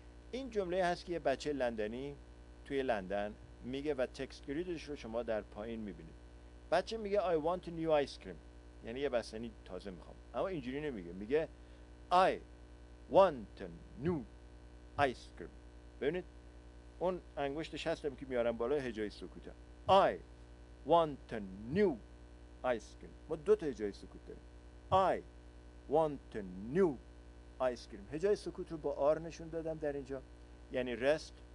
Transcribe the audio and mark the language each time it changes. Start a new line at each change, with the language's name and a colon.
Persian: این جمله هست که یه بچه لندنی توی لندن میگه و تکست گریدش رو شما در پایین میبینید. بچه میگه
English: I want a new ice cream،
Persian: یعنی یه بستنی تازه میخوام، اما اینجوری نمیگه، میگه I want a new ice cream. ببینید اون انگشت شستم که میارم بالا هجای سکوتم،
English: I want a new ice cream،
Persian: ما دوتا هجای سکوت داریم، I want a new ice cream. هجای سکوت رو با R نشون دادم در اینجا، یعنی rest.